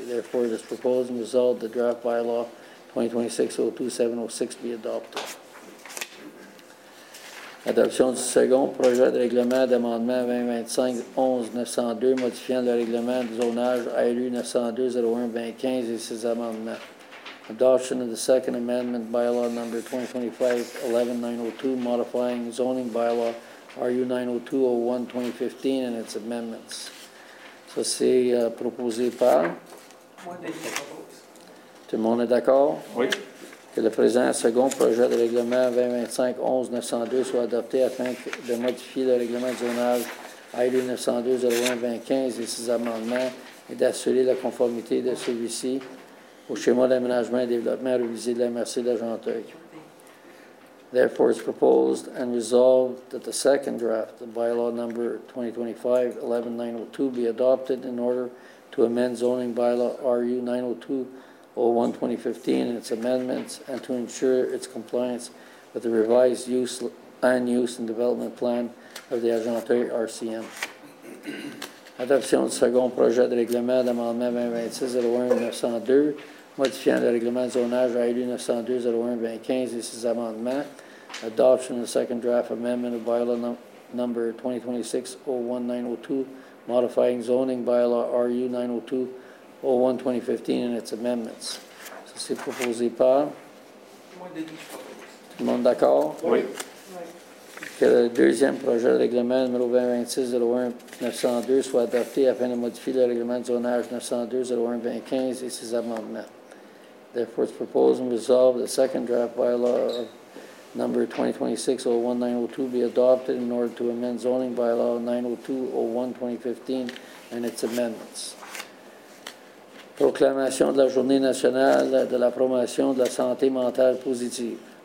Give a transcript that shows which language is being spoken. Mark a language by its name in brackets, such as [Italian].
[English] Therefore, it is proposed and resolved that draft bylaw 2026-02-706 be adopted. [French] Adoption du second projet de règlement d'amendement 2025-11-902 modifiant le règlement de zonage ARU 902-01-2015 et ses amendements. [English] Adoption of the second amendment bylaw number 2025-11-902 modifying zoning bylaw RU 902-01-2015 and its amendments. [French] Ça, c'est proposé par? Moi, je propose. Tout le monde est d'accord? Oui. Que le présent second projet de règlement 2025-11-902 soit adopté afin de modifier le règlement de zonage ARU 902-01-2015 et ses amendements et d'assurer la conformité de celui-ci au schéma d'aménagement et développement révisé de la MRC d'Argenteuil. [English] Therefore, it's proposed and resolved that the second draft of bylaw number 2025-11902 be adopted in order to amend zoning bylaw RU 902-01-2015 and its amendments and to ensure its compliance with the revised use land use and development plan of the Argenteuil RCM. [French] Adoption du second projet de règlement d'amendement 2026-01-902, modifiant le règlement de zonage RU 902-01-2015 et ses amendements. [English] Adoption of the second draft amendment of bylaw number 2026-01-902, modifying zoning bylaw RU 902-01-2015 and its amendments. [French] Ça, c'est proposé par? Moi, Denis, tout le monde d'accord? Oui. Que le deuxième projet de règlement numéro 2026-01-902 soit adopté afin de modifier le règlement de zonage 902-01-2015 et ses amendements. [English] Therefore, it's proposed and resolved the second draft bylaw of number 2026-01-902 be adopted in order to amend zoning bylaw 902-01-2015 and its amendments. [French] Proclamation de la Journée nationale de la promotion de la santé mentale positive.